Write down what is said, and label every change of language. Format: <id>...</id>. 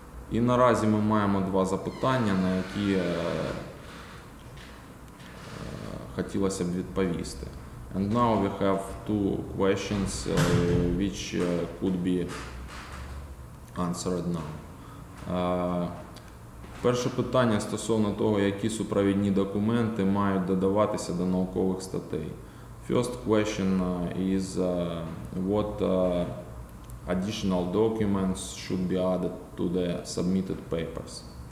<uk>І наразі ми маємо два запитання, на які хотілося б відповісти.</uk> <en>And now we have two questions which could be answered now.</en> <uk>Перше питання стосовно того, які супровідні документи мають додаватися до наукових статей.</uk> <en>First question is what additional documents should be added to the submitted papers.</en>